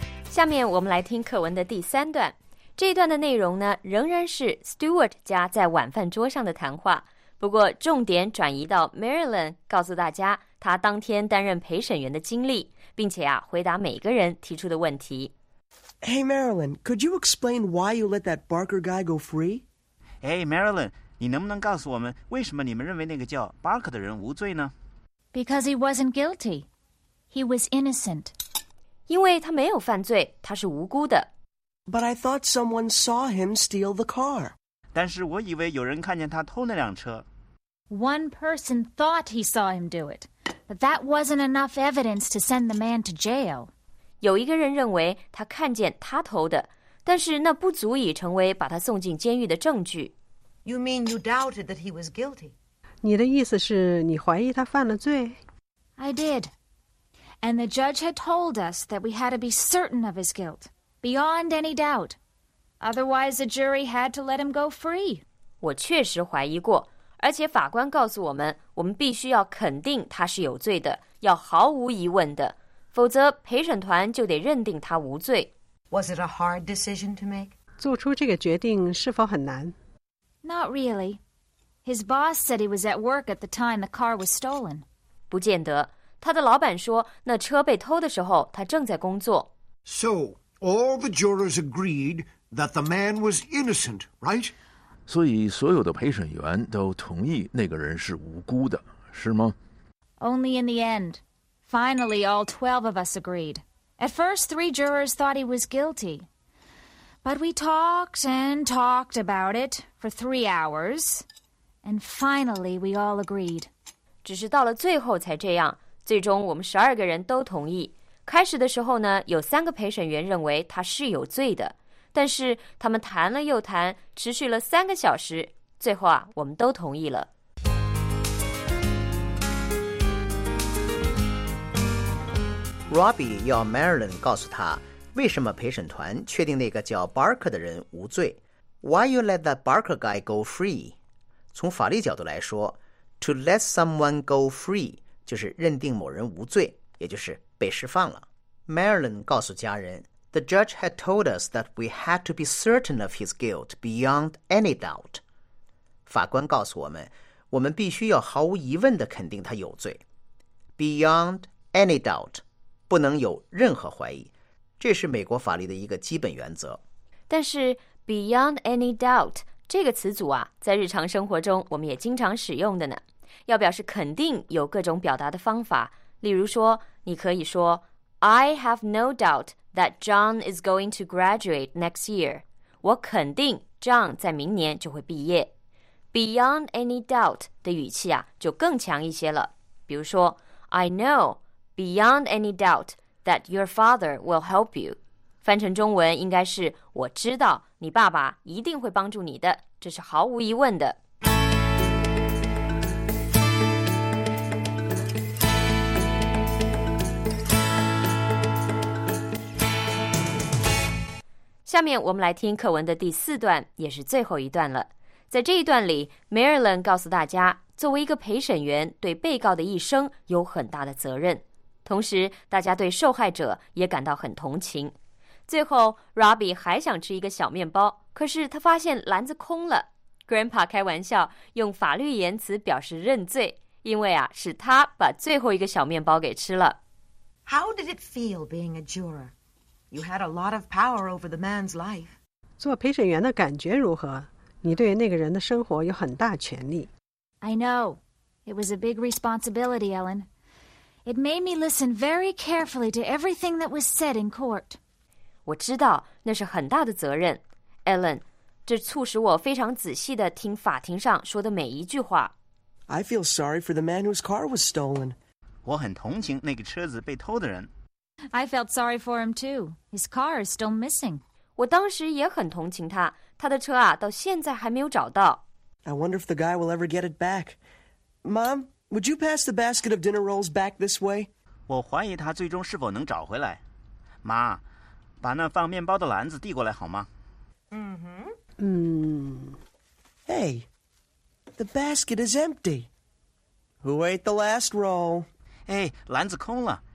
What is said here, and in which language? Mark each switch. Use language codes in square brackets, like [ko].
[zh] 下面我们来听课文的第三段这一段的内容呢仍然是 Stewart 家在晚饭桌上的谈话不过重点转移到 Marilyn 告诉大家他当天担任陪审员的经历并且啊，回答每个人提出的问题。 [en] Hey, Marilyn, could you explain why you let that Barker guy go free? [zh] Hey, Marilyn, 你能不能告诉我们为什么你们认为那个叫 Barker 的人无罪呢? [en] Because he wasn't guilty. He was innocent. [zh] 因为他没有犯罪，他是无辜的。 [en] But I thought someone saw him steal the car. [zh] 但是我以为有人看见他偷那辆车。 [en] One person thought he saw him do it. But that wasn't enough evidence to send the man to jail. [zh] 有一个人认为他看见他偷的，但是那不足以成为把他送进监狱的证据。 [en] You mean you doubted that he was guilty? [zh] 你的意思是你怀疑他犯了罪? [en] I did. And the judge had told us that we had to be certain of his guilt, beyond any doubt. Otherwise, the jury had to let him go free. [zh] 我确实怀疑过。而且法官告诉我们，我们必须要肯定他是有罪的，要毫无疑问的，否则陪审团就得认定他无罪。 [en] Was it a hard decision to make? [zh] 做出这个决定是否很难? [en] Not really. His boss said he was at work at the time the car was stolen. [zh] 不见得，他的老板说那车被偷的时候他正在工作。 [en] So, all the jurors agreed that the man was innocent, right? [zh] 所以所有的陪审员都同意那个人是无辜的，是吗 [en] ？Only in the end, finally, all 12 of us agreed. At first, three jurors thought he was guilty, but we talked and talked about it for 3 hours, and finally, we all agreed. [zh] 只是到了最后才这样，最终我们十二个人都同意。开始的时候呢，有三个陪审员认为他是有罪的。但是他们谈了又谈，持续了3个小时，最后啊，我们都同意了。 Robbie 要 Marilyn 告诉他，为什么陪审团确定那个叫 Barker 的人无罪 ？ Why you let that Barker guy go free？从法律角度来说 ， to let someone go free 就是认定某人无罪，也就是被释放了。 Marilyn 告诉家人。 [en] The judge had told us that we had to be certain of his guilt beyond any doubt. [zh] 法官告诉我们，我们必须要毫无疑问地肯定他有罪。 Beyond any doubt, 不能有任何怀疑，这是美国法律的一个基本原则。但是 beyond any doubt 这个词组啊，在日常生活中我们也经常使用的呢。要表示肯定有各种表达的方法， [en] 例如说，你可以说 I have no doubt that John is going to graduate next year. [zh] 我肯定 John 在明年就会毕业。 Beyond any doubt 的语气啊，就更强一些了。 [en] 比如说 I know beyond any doubt that your father will help you. [zh] 翻成中文应该是我知道你爸爸一定会帮助你的，这是毫无疑问的。下面我们来听课文的第四段，也是最后一段了。在这一段里 ，Marilyn 告诉大家，作为一个陪审员，对被告的一生有很大的责任。同时，大家对受害者也感到很同情。最后 ，Robbie 还想吃一个小面包，可是他发现篮子空了。 Grandpa 开玩笑，用法律言辞表示认罪，因为啊，是他把最后一个小面包给吃了。 [en] How did it feel being a juror? You had a lot of power over the man's life. [zh] 做陪审员的感觉如何？你对那个人的生活有很大权力。 [en] I know. It was a big responsibility, Ellen. It made me listen very carefully to everything that was said in court. [zh] 我知道那是很大的责任 ，Ellen. 这促使我非常仔细地听法庭上说的每一句话。 [en] I feel sorry for the man whose car was stolen. [zh] 我很同情那个车子被偷的人。 [en] I felt sorry for him too. His car is still missing. [zh] 我当时也很同情他，他的车啊，到现在还没有找到。 [en] I wonder if the guy will ever get it back. Mom, would you pass the basket of dinner rolls back this way? [zh] 我怀疑他最终是否能找回来。妈，把那放面包的篮子递过来好吗？嗯哼。 [en] 嗯。Hey, the basket is empty. Who ate the last roll? [zh] 哎，篮子空了。